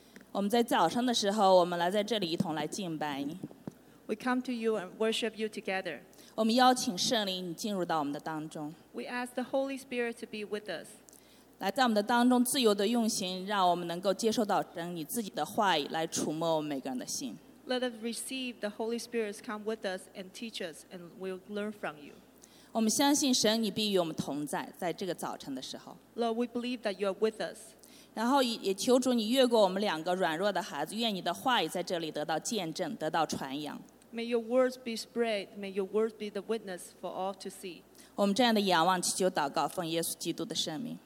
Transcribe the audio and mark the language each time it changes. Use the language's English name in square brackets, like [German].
[Chinese] 我们在早上的时候, 我们来在这里一同来敬拜你。 [English] We come to you and worship you together. [Chinese] 我们邀请圣灵进入到我们的当中。 [English] We ask the Holy Spirit to be with us. [Chinese] 来在我们的当中自由的运行, 让我们能够接受到神你自己的话语, 来触摸我们每个人的心。 [English] Let us receive the Holy Spirit to come with us and teach us, and we'll learn from you. [Chinese] 我们相信神你必与我们同在, 在这个早晨的时候。 [English] Lord, we believe that you are with us. [Chinese] 然后也求主你越过我们两个软弱的孩子, 愿你的话语在这里得到见证, 得到传扬。 [English] May your words be spread. May your words be the witness for all to see. [Chinese] 我们这样的仰望, 祈求祷告, 奉耶稣基督的圣名。